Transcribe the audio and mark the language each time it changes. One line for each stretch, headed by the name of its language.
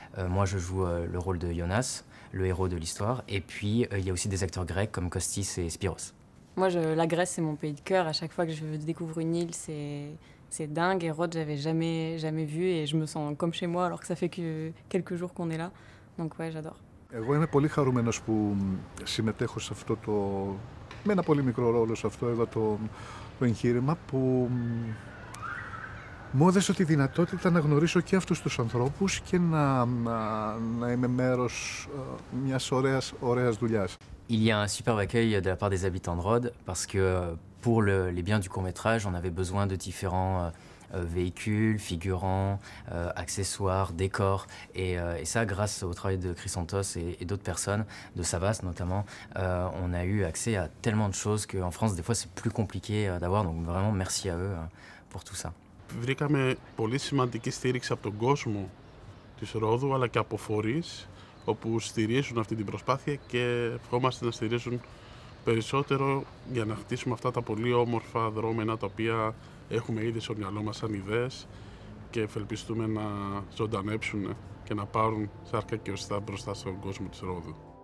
French: Moi, je joue le rôle de Jonas, le héros de l'histoire. Et puis, il y a aussi des acteurs grecs comme Kostis et Spiros. Moi, la Grèce, c'est mon pays de cœur. À chaque fois que je découvre une île, c'est dingue. Et Rhodes, j'avais jamais vu et je me sens comme chez moi alors que ça fait que quelques jours qu'on est là. Donc ouais, j'adore.
Greek: Εγώ είμαι πολύ χαρούμενος που συμμετέχω σε αυτό το, με ένα πολύ μικρό ρόλο σε αυτό εδώ το εγχείρημα που μου έδωσε τη δυνατότητα να γνωρίσω και αυτούς τους ανθρώπους και να είμαι μέρος μιας ωραίας δουλειάς.
French: Il y a un superbe accueil de la part des habitants de Rhodes parce que pour les biens du court-métrage, on avait besoin de différents véhicules, figurants, accessoires, décors. Et ça, grâce au travail de Chrysantos et d'autres personnes, de Savas notamment, on a eu accès à tellement de choses qu'en France, des fois, c'est plus compliqué d'avoir. Donc vraiment, merci à eux pour tout ça.
Greek: Βρήκαμε πολύ σημαντική στήριξη από τον κόσμο της Ρόδου αλλά και από φορείς όπου στηρίζουν αυτή την προσπάθεια και ευχόμαστε να στηρίζουν περισσότερο για να χτίσουμε αυτά τα πολύ όμορφα δρόμενα τα οποία έχουμε ήδη στο μυαλό μας σαν ιδέες και ευελπιστούμε να ζωντανέψουν και να πάρουν σάρκα και οστά μπροστά στον κόσμο της Ρόδου.